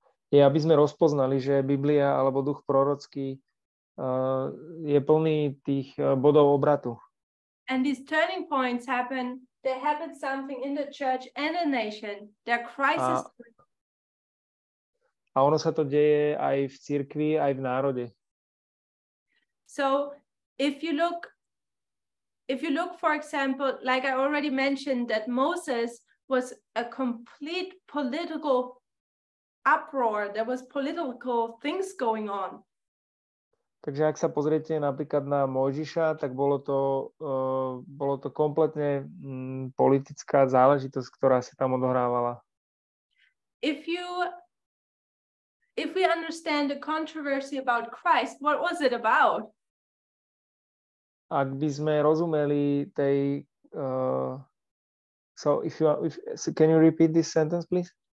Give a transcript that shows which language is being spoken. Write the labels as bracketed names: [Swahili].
[Slovak] Je, aby sme rozpoznali, že Biblia alebo duch prorocký je plný tých bodov obratu. [English] And these turning points happen, they happen something in the church and the nation. They're crisis. [Slovak] A ono sa to deje aj v cirkvi, aj v národe. [English] So if you look for example, like I already mentioned, that Moses was a complete political uproar, there was political things going on. [Slovak] Takže ak sa pozriete napríklad na Mojžiša, tak bolo to kompletne politická záležitosť, ktorá sa tam odohrávala. [English] If we understand the controversy about Christ, what was it about? [Slovak] Ak by sme rozumeli tej [English] can you repeat this sentence, please?